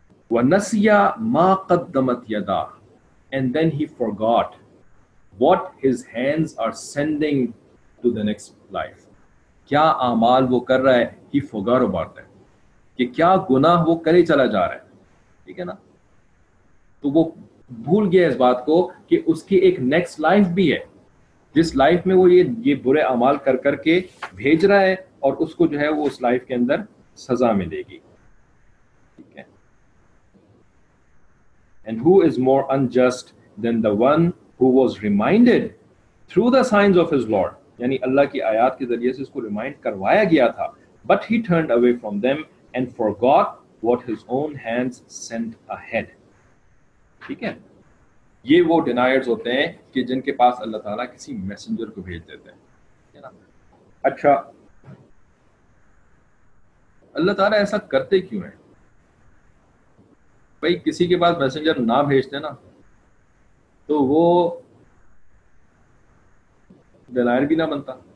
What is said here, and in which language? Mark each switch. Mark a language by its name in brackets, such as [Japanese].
[Arabic] وَنَسِيَ مَا قَدَّمَتْ يَدَاهُ [English] and then he forgot what his hands are sending to the next life، [Urdu] کیا اعمال وہ کر رہا ہے، [English] he forgot about that، [Urdu] کہ کیا گناہ وہ کرے چلا جا رہا ہے، ٹھیک ہے نا، تو وہ بھول گیا اس بات کو کہ اس کی ایک نیکسٹ لائف بھی ہے جس لائف میں وہ یہ برے اعمال کر کر کے بھیج رہا ہے، اور اس کو جو ہے وہ اس لائف کے اندر سزا ملے گی. [English] And who is more unjust than the one who was reminded through the signs of his Lord, [Urdu] یعنی اللہ کی آیات کے ذریعے سے اس کو ریمائنڈ کروایا گیا تھا، [English] but he turned away from them and forgot what his own hands sent ahead. [Urdu] ٹھیک ہے، یہ وہ ڈینائرز ہوتے ہیں کہ جن کے پاس اللہ تعالیٰ کسی میسنجر کو بھیج دیتے ہیں. اچھا، اللہ تعالیٰ ایسا کرتے کیوں ہیں؟ بھائی کسی کے پاس میسنجر نہ بھیجتے نا تو وہ ڈینائر بھی نہ بنتا.